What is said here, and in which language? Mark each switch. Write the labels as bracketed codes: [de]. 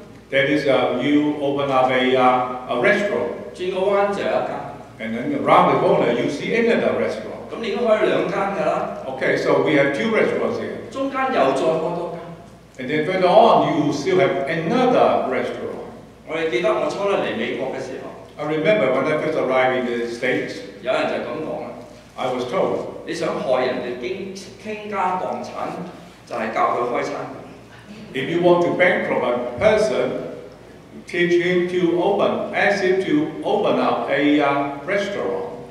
[en] That is, you open up a restaurant. [yue] 轉個彎就有一間 [en] And then around the corner, you see another restaurant. [yue] 咁你應該開兩間㗎啦 [en] Okay, so we have two restaurants here. [yue] 中間又再開多間 [en] And then further on, you still have another restaurant. [yue] 我記得我初嚟美國嘅時候 [en] I remember when I first arrived in the States. [yue] 有人就咁講啦 [en] I was told. [yue] 你想害人哋傾家蕩產，就係教佢開餐。 [en] If you want to bankrupt a person, teach him to open, ask him to open up a restaurant.